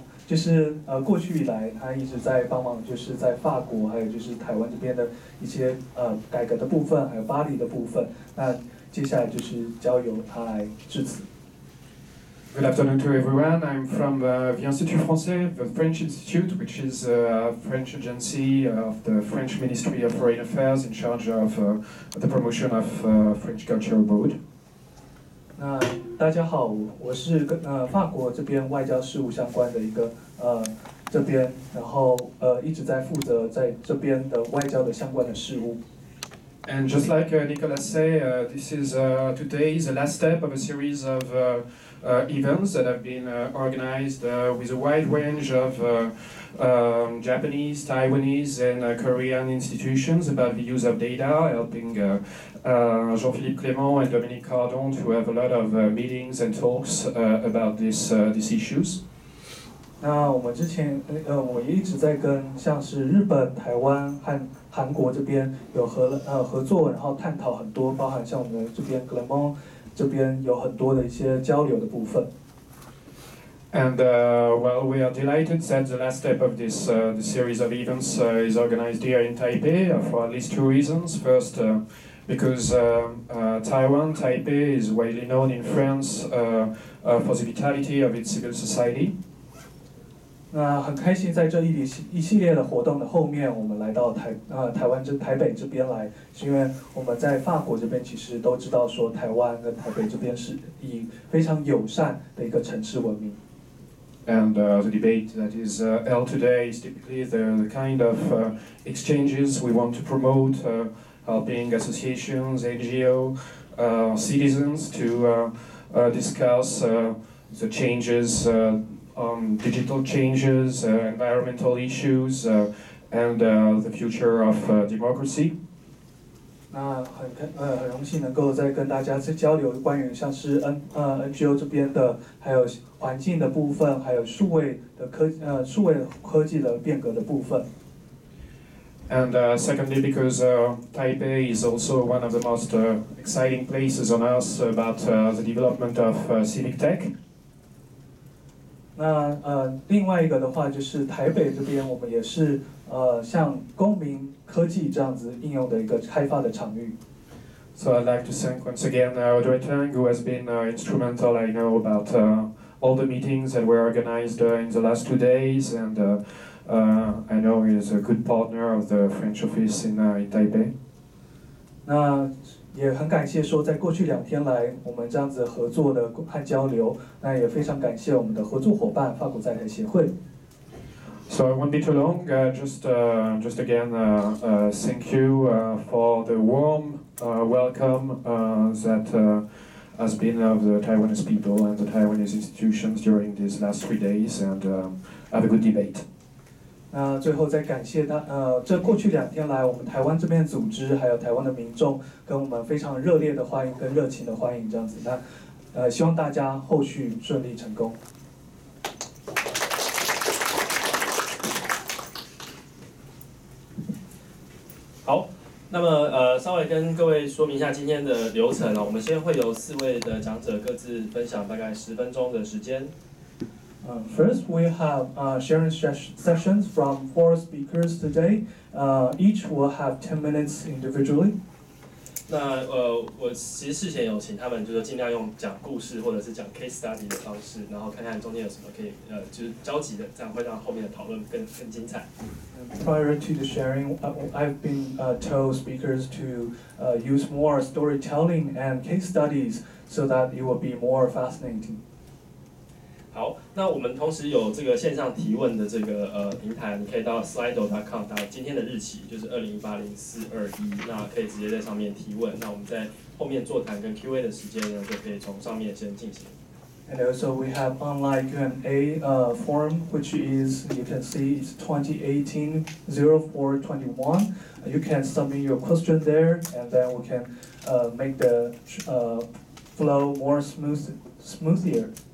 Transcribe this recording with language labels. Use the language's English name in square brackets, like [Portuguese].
[Chinese] 就是过去以来他一直在帮忙，就是在法国还有就是台湾这边的一些改革的部分，还有巴黎的部分。那接下来就是交由他来致辞。 [English] Good afternoon to everyone. I'm from the Institut Français, the French Institute, which is a French agency of the French Ministry of Foreign Affairs in charge of the promotion of French culture abroad. [Chinese] 那大家好，我是跟法国这边外交事务相关的一个这边，然后一直在负责在这边的外交的相关的事务。 [English] And just like Nicolas said, this is today is the last step of a series of events that have been organized with a wide range of Japanese, Taiwanese, and Korean institutions about the use of data, helping Jean-Philippe Clément and Dominique Cardon to have a lot of meetings and talks about these issues. [Chinese] 那我们之前我一直在跟像是日本、台湾和韩国这边有合作，然后探讨很多，包含像我们这边 Clément这边有很多的一些交流的部分。 [English] And well, we are delighted that the last step of this the series of events is organized here in Taipei for at least two reasons. First, because Taiwan, Taipei is widely known in France for the vitality of its civil society. [Chinese] 那很开心在这一系列的活动的后面，我们来到台北这边来，是因为我们在法国这边其实都知道说台湾跟台北这边是以非常友善的一个城市闻名。 [English] And the debate that is held today is typically the kind of exchanges we want to promote, helping associations, NGO, citizens to discuss the changes on digital changes, environmental issues, and the future of democracy. [Chinese] 那很荣幸能够再跟大家去交流关于像是 NGO 这边的，还有环境的部分，还有数位科技的变革的部分。 [English] And secondly, because Taipei is also one of the most exciting places on earth about the development of civic tech. [Chinese] 那另外一个的话就是台北这边我们也是像公民科技这样子应用的一个开发的场域。 [English] So I'd like to thank once again Audrey Tang, who has been instrumental, I know, about all the meetings that were organized in the last 2 days, and I know he is a good partner of the French office in Taipei. [Chinese] 那也很感谢说在过去两天来我们这样子合作的和交流，那也非常感谢我们的合作伙伴法国在台协会。 [English] So I won't be too long. Just again, thank you for the warm welcome that has been of the Taiwanese people and the Taiwanese institutions during these last 3 days, and have a good debate. [Chinese] 那最后再感谢这过去两天来我们台湾这边的组织还有台湾的民众跟我们非常热烈的欢迎跟热情的欢迎这样子。那希望大家后续顺利成功。好，那么稍微跟各位说明一下今天的流程我们先会有四位的讲者各自分享大概十分钟的时间。 [English] First, we have sharing sessions from four speakers today. Each will have 10 minutes individually. [Chinese] 那我其实事前有请他们，就是尽量用讲故事或者是讲 case study 的方式，然后看看中间有什么可以就是交集的，这样会让后面的讨论更精彩。 [English] Prior to the sharing, I've been told speakers to use more storytelling and case studies so that it will be more fascinating. [Chinese] 好，那我们同时有这个线上提问的这个平台，你可以到 slido.com 打今天的日期，就是20804021，那可以直接在上面提问。那我们在后面座谈跟 Q&A 的时间呢，就可以从上面先进行。 [English] And also we have online Q&A form, which is, you can see, it's 2018-04-21. You can submit your question there, and then we can make the flow more smoother.